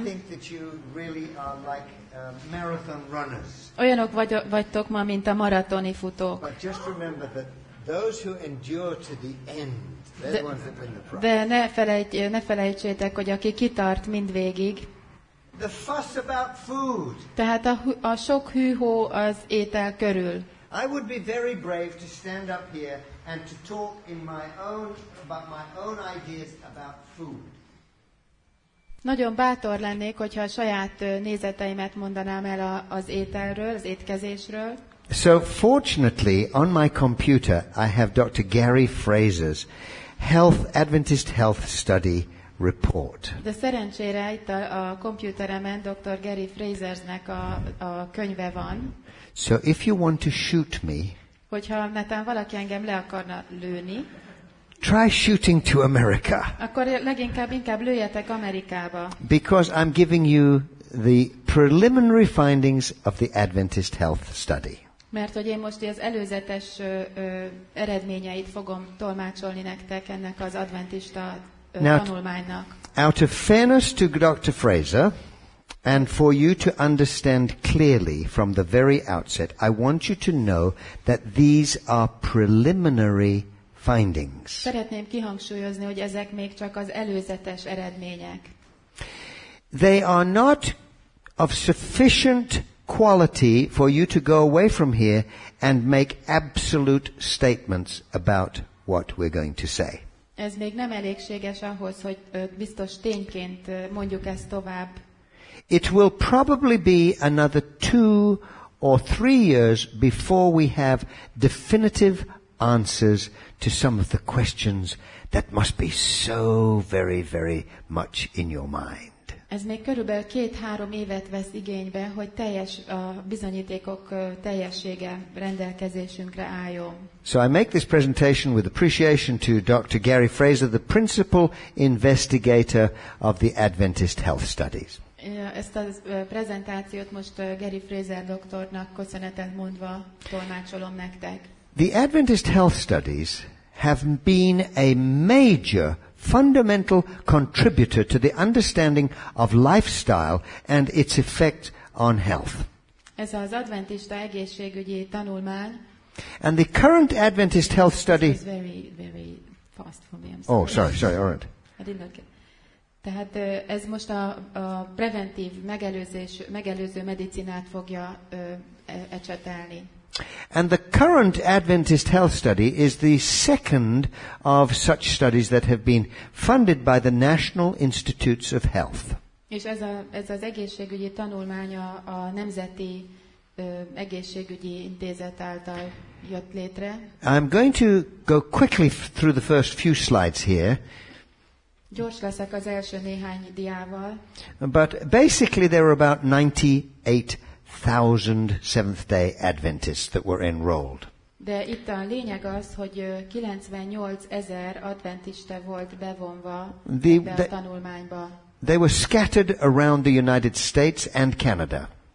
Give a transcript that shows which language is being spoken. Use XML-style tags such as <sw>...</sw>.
<en>I think that you really are like marathon runners.</en> <hu>Olyanok vagytok ma, mint a maratoni futók.</hu> <en>But just remember that those who endure to the end, they're the ones that win the prize.</en> <hu>De ne felejtsétek, hogy aki kitart mindvégig.</hu> <en>The fuss about food.</en> <hu>Tehát a sok hűhó az étel körül.</hu> <en>I would be very brave to stand up here and to talk in my own about my own ideas about food.</en> <hu>Nagyon bátor lennék, hogyha a saját nézeteimet mondanám el az ételről, az étkezésről.</hu> <en>So fortunately, on my computer, I have Dr. Gary Fraser's Adventist Health Study report.</en> <hu>De szerencsére itt a komputeremen Dr. Gary Fraser-nek a könyve van.</hu> <en>So if you want to shoot me,</en> <hu>hogyha netán valaki engem le akarna lőni,</hu> <en>try shooting to America.</en> <hu>Akkor leginkább lőjetek Amerikába.</hu> <en>Because I'm giving you the preliminary findings of the Adventist Health Study.</en> <hu>Mert hogy én most az előzetes eredményeit fogom tolmácsolni nektek ennek az adventista tanulmánynak.</hu> <en>Out of fairness to Dr. Fraser, and for you to understand clearly from the very outset, I want you to know that these are preliminary findings.</en> <hu>Szeretném kihangsúlyozni, hogy ezek még csak az előzetes eredmények.</hu> <en>They are not of sufficient quality for you to go away from here and make absolute statements about what we're going to say.</en> <hu>Ez még nem elégséges ahhoz, hogy biztos tényként mondjuk ezt tovább.</hu> <en>It will probably be another 2 or 3 years before we have definitive answers to some of the questions that must be so very, very much in your mind.</en> <hu>Ez még körülbelül 2-3 évet vesz igénybe, hogy teljes a bizonyítékok teljessége rendelkezésünkre álljon.</hu> <en>So I make this presentation with appreciation to Dr. Gary Fraser, the principal investigator of the Adventist Health Studies.</en> <hu>Ezt a prezentációt most Gary Fraser doktornak köszönetet mondva tolmácsolom nektek.</hu> <en>The Adventist Health Studies have been a major fundamental contributor to the understanding of lifestyle and its effect on health.</en> <hu>Ez az adventista egészségügyi tanulmány.</hu> <en>And the current Adventist Health Study is very, very fast for me. I'm sorry. Oh, sorry, all right. I did not get.</en> <hu>Tehát ez most a preventív megelőző medicinát fogja ecsetelni.</hu> <en>And the current Adventist Health Study is the second of such studies that have been funded by the National Institutes of Health.</en> <hu>És ez az egészségügyi tanulmánya a nemzeti egészségügyi intézet által jött létre.</hu> <en>I'm going to go quickly through the first few slides here.</en> <hu>Gyors leszek az első néhány diával.</hu> <en>But basically there were about 98,000 Seventh-day Adventists that were enrolled.</en> <hu>De itt a lényeg az, hogy 98,000 adventista volt bevonva ebbe a tanulmányba.</hu> <en>They were scattered around the United States and Canada.</en>